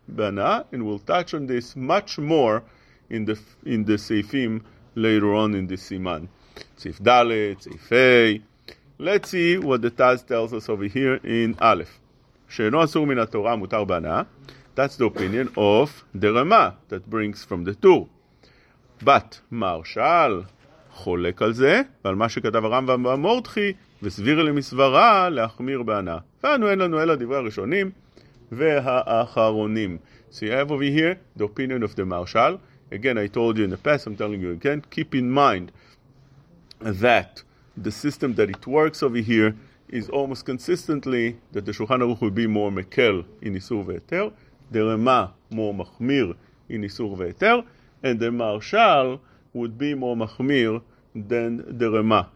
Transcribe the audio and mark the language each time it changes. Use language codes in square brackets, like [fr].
[en] And we'll touch on this much more in the Seifim later on in the Siman. Seif Dalet, Seif Hey. Let's see what the Taz tells us over here in Aleph. [he] She'eno asur min ha'Torah mutar b'ana. [en] That's the opinion of the Rama that brings from the Tur. [he] But Marshal cholek al zeh, ועל מה שכתב הרמב״ם והמורדכי, וסביר למסברה להחמיר ב'ana. ואנו אין לנו אלא דברי הראשונים, והאחרונים. [en] So you have over here the opinion of the Marshal. Again, I told you in the past, I'm telling you again, keep in mind that the system that it works over here is almost consistently that the Shulchan Aruch would be more mekel in Isur ve'eter, the Rema more machmir in Isur ve'eter, and the Marshal would be more machmir than the Rema.